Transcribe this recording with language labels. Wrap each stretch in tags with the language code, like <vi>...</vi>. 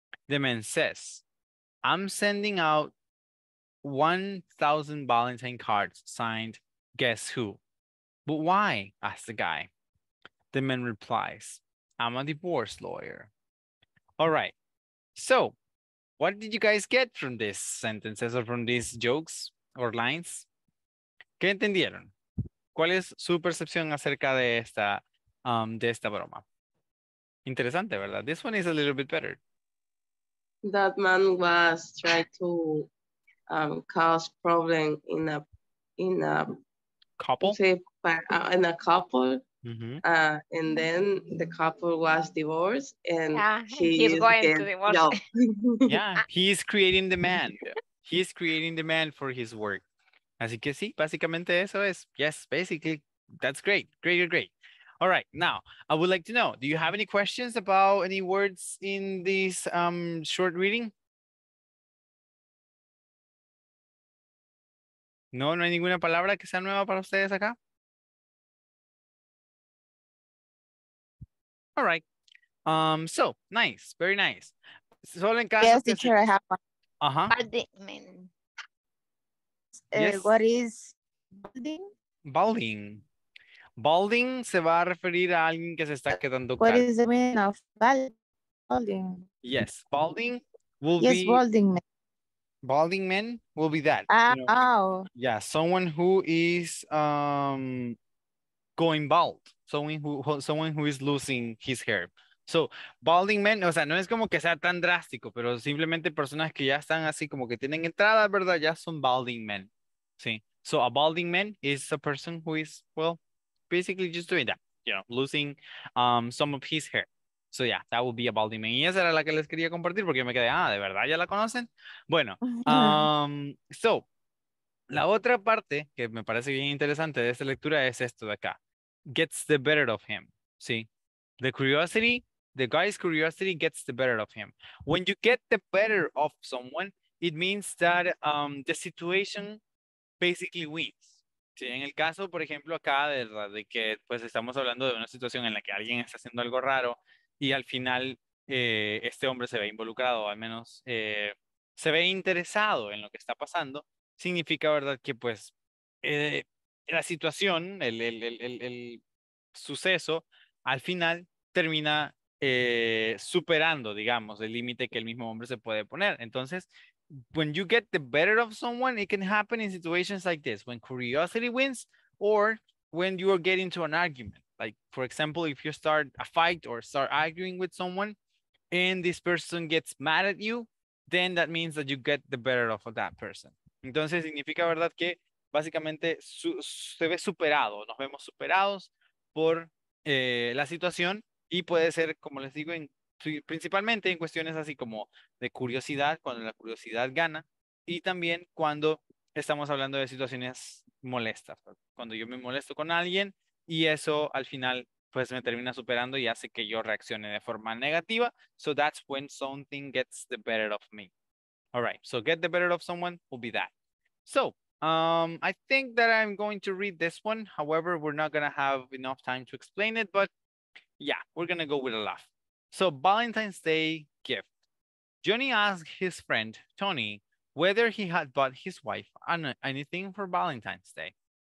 <en>The man says, I'm sending out 1,000 Valentine cards signed, guess who? But why? Asks the guy. The man replies, I'm a divorce lawyer. All right. So, what did you guys get from these sentences or from these jokes or lines?</en> <es>¿Qué entendieron? ¿Cuál es su percepción acerca de esta broma? Interesante, ¿verdad?</es> <en>This one is a little bit better. That man was trying to cause problem in a couple. In a couple. Mm-hmm. And then the couple was divorced, and he's going to divorce. No. Yeah, he's creating demand. He's creating demand for his work.</en> <es>Así que sí, básicamente eso es.</es> <en>Yes, basically, that's great. Great, great, great. All right, now, I would like to know, do you have any questions about any words in this short reading?</en> <es>No, no hay ninguna palabra que sea nueva para ustedes acá.</es> <en>All right, so, nice, very nice.</en> <es>Solo en caso</es> <en>yes, teacher, I have one. Uh-huh. Balding. Yes. What is balding? Balding.</en> <es>Balding se va a referir a alguien que se está quedando calvo.</es> <en>What is the meaning of balding? Yes, balding will yes, be... Yes, balding men. Balding men will be that. Yeah, someone who is going bald. Someone who is losing his hair. So, balding men,</en> <es>o sea, no es como que sea tan drástico, pero simplemente personas que ya están así como que tienen entrada, ¿verdad? Ya son balding men. Sí.</es> <en>So, a balding man is a person who is, well, basically just doing that, you know, losing some of his hair. So, yeah, that would be a balding man.</en> <es>Y esa era la que les quería compartir porque me quedé, ¿de verdad ya la conocen? Bueno, so, la otra parte que me parece bien interesante de esta lectura es esto de acá.</es> <en>Gets the better of him. See, the guy's curiosity gets the better of him. When you get the better of someone, it means that the situation basically wins.</en> <es>Sí, en el caso, por ejemplo, acá de que pues estamos hablando de una situación en la que alguien está haciendo algo raro y al final este hombre se ve involucrado, al menos se ve interesado en lo que está pasando, significa, verdad, que pues la situación, el suceso, al final termina superando, digamos, el límite que el mismo hombre se puede poner. Entonces,</es> <en>when you get the better of someone, it can happen in situations like this, when curiosity wins, or when you are getting into an argument. Like, for example, if you start a fight or start arguing with someone, and this person gets mad at you, then that means that you get the better of that person.</en> <es>Entonces, significa, verdad, que básicamente se ve superado, nos vemos superados por la situación y puede ser, como les digo, principalmente en cuestiones así como de curiosidad, cuando la curiosidad gana, y también cuando estamos hablando de situaciones molestas, cuando yo me molesto con alguien y eso al final pues me termina superando y hace que yo reaccione de forma negativa.</es> <en>So that's when something gets the better of me. All right, so get the better of someone will be that. So I think that I'm going to read this one. However, we're not going to have enough time to explain it, but yeah, we're going to go with a laugh. So, Valentine's Day gift. Johnny asked his friend, Tony, whether he had bought his wife anything for Valentine's Day.</en>